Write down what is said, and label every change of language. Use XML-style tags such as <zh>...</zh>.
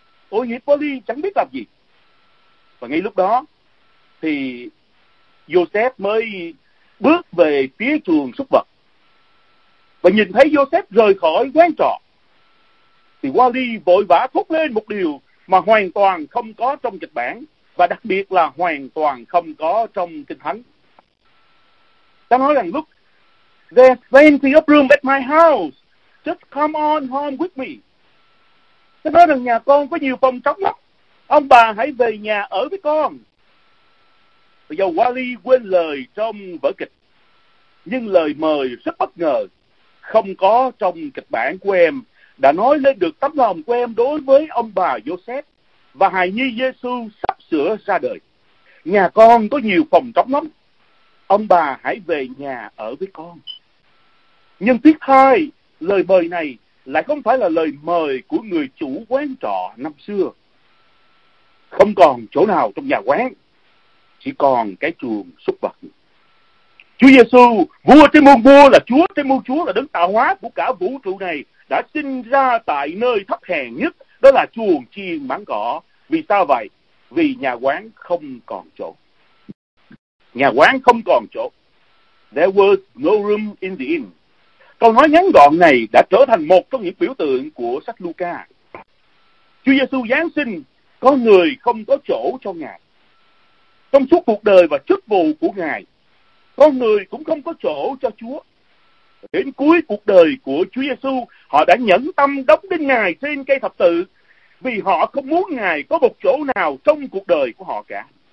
<vi>Tội nghiệp Wally chẳng biết làm gì. Và ngay lúc đó thì Joseph mới bước về phía chuồng súc vật. Và nhìn thấy Joseph rời khỏi quán trọ thì Wally vội vã thốt lên một điều mà hoàn toàn không có trong kịch bản, và đặc biệt là hoàn toàn không có trong kinh thánh. Ta nói rằng lúc</vi> <en>"There's plenty of room at my house. Just come on home with me."</en> <vi>Ta nói rằng nhà con có nhiều phòng trống lắm. Ông bà hãy về nhà ở với con. Bây giờ Wally quên lời trong vở kịch, nhưng lời mời rất bất ngờ, không có trong kịch bản của em, đã nói lên được tấm lòng của em đối với ông bà Joseph và hài nhi Giê-xu sắp sửa ra đời. Nhà con có nhiều phòng trống lắm. Ông bà hãy về nhà ở với con. Nhưng tiếc thay, lời mời này lại không phải là lời mời của người chủ quán trọ năm xưa. Không còn chỗ nào trong nhà quán, chỉ còn cái chuồng súc vật. Chúa Giê-xu, vua trên muôn vua, là Chúa trên muôn Chúa, là đấng tạo hóa của cả vũ trụ này, đã sinh ra tại nơi thấp hèn nhất, đó là chuồng chiên mảng cỏ. Vì sao vậy? Vì nhà quán không còn chỗ. Nhà quán không còn chỗ.</vi> <en>There was no room in the inn.</en> <vi>Câu nói ngắn gọn này đã trở thành một trong những biểu tượng của sách Luca. Chúa Giê-xu Giáng sinh, có người không có chỗ cho Ngài. Trong suốt cuộc đời và chức vụ của Ngài, con người cũng không có chỗ cho Chúa. Đến cuối cuộc đời của Chúa Giê-xu, họ đã nhẫn tâm đóng đinh Ngài trên cây thập tự vì họ không muốn Ngài có một chỗ nào trong cuộc đời của họ cả.</vi>